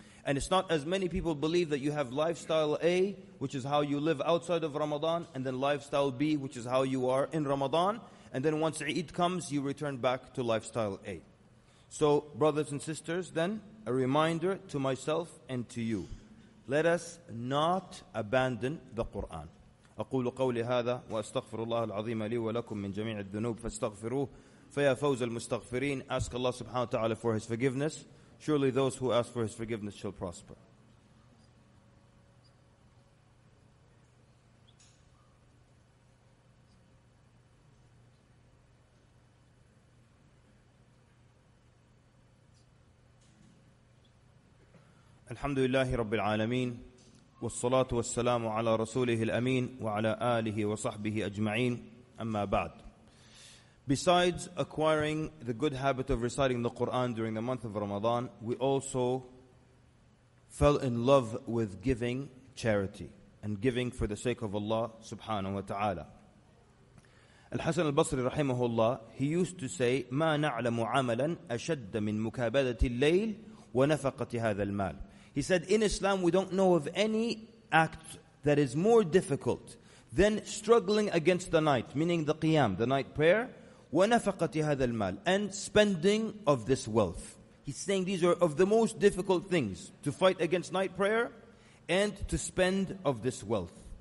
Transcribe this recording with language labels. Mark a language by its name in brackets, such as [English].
[English] And it's not as many people believe that you have lifestyle A, which is how you live outside of Ramadan, and then lifestyle B, which is how you are in Ramadan. And then once Eid comes, you return back to lifestyle A. So brothers and sisters, then a reminder to myself and to you. Let us not abandon the Qur'an. [Arabic] أقول قولي هذا وأستغفر الله العظيم لي ولكم من جميع الذنوب فاستغفروه فيا فوز المستغفرين. [English] Ask Allah subhanahu wa ta'ala for his forgiveness. Surely those who ask for his forgiveness shall prosper. [Arabic] الحمد لله رب العالمين والصلاة والسلام على رسوله الأمين وعلى آله وصحبه أجمعين أما بعد. [English] Besides acquiring the good habit of reciting the Quran during the month of Ramadan, we also fell in love with giving charity and giving for the sake of Allah subhanahu wa ta'ala. [Arabic] الحسن البصري رحمه الله, [English] he used to say, [Arabic] ما نعلم عملا أشد من مكابدة الليل ونفقة هذا المال. [English] He said, in Islam, we don't know of any act that is more difficult than struggling against the night, meaning the qiyam, the night prayer, [Arabic] وَنَفَقَةِ هَذَا الْمَالِ, [English] and spending of this wealth. He's saying these are of the most difficult things, to fight against night prayer and to spend of this wealth.